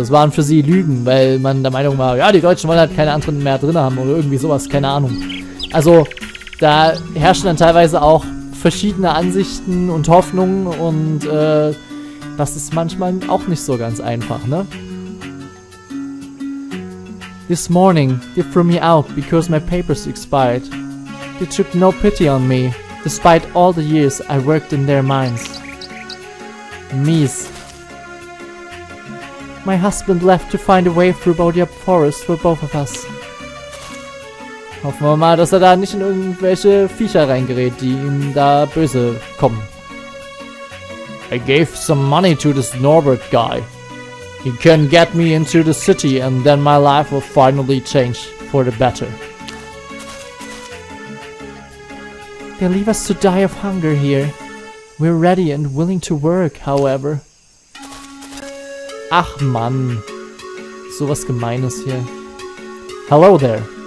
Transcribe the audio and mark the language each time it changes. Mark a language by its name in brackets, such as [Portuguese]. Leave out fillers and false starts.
[German] Es waren für sie Lügen, weil man der Meinung war, ja, die Deutschen wollen halt keine anderen mehr drin haben oder irgendwie sowas, keine Ahnung. Also, da herrschen dann teilweise auch verschiedene Ansichten und Hoffnungen und das ist manchmal auch nicht so ganz einfach, ne? [English] This morning, they threw me out because my papers expired. They took no pity on me, despite all the years I worked in their mines. [German] Mies. [English] My husband left to find a way through Bodiab Forest for both of us. [German] Hoffen wir mal, dass er da nicht in irgendwelche Viecher reingerät, die ihm da böse kommen. [English] I gave some money to this Norbert guy. He can get me into the city and then my life will finally change for the better. They leave us to die of hunger here. We're ready and willing to work, however. [German] Ach man, sowas Gemeines hier. [English] Hello there.